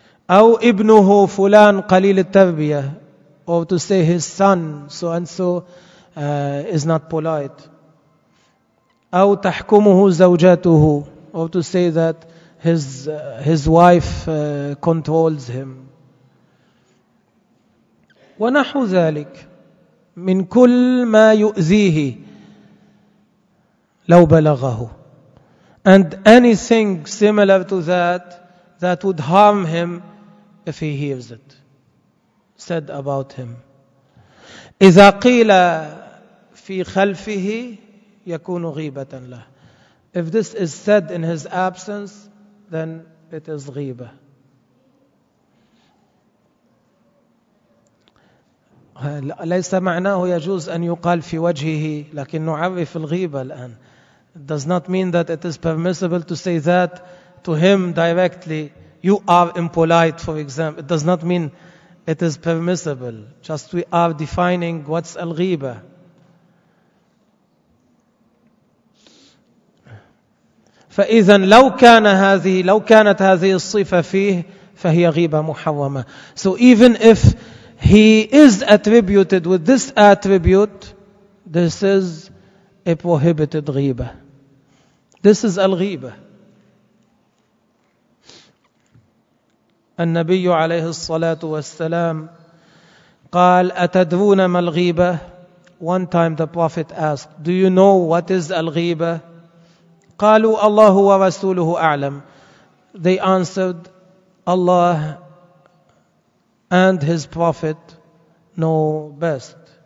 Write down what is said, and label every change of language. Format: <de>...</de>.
<ar>أو ابنه فلان قليل التربية,</ar> <en>or to say his son so and so is not polite.</en> <ar>أو تحكمه زوجته,</ar> <en>or to say that his wife controls him.</en> <ar>ونحو ذلك من كل ما يؤذيه لو بلغه.</ar> <en>And anything similar to that would harm him if he hears it said about him.</en> <ar>إذا قيل في خلفه يكون غيبة له.</ar> <en>If this is said in his absence, then it is غيبة.</en> <ar>ليس معناه يجوز أن يقال في وجهه, لكن نعرف الغيبة الآن.</ar> <en>It does not mean that it is permissible to say that to him directly. You are impolite, for example. It does not mean it is permissible. Just we are defining what's الغيبة.</en> <ar>فإذا لو كان هذه لو كانت هذه الصفة فيه فهي غيبة محرمة.</ar> <en>So even if he is attributed with this attribute, this is a prohibited غيبة. This is الغيبة.</en> <ar>النبي عليه الصلاة والسلام قال أتدرون ما الغيبة.</ar> <en>One time the Prophet asked, do you know what is الغيبة؟</en> <ar>قالوا الله ورسوله أعلم.</ar> <en>They answered, Allah and His Prophet know best.</en>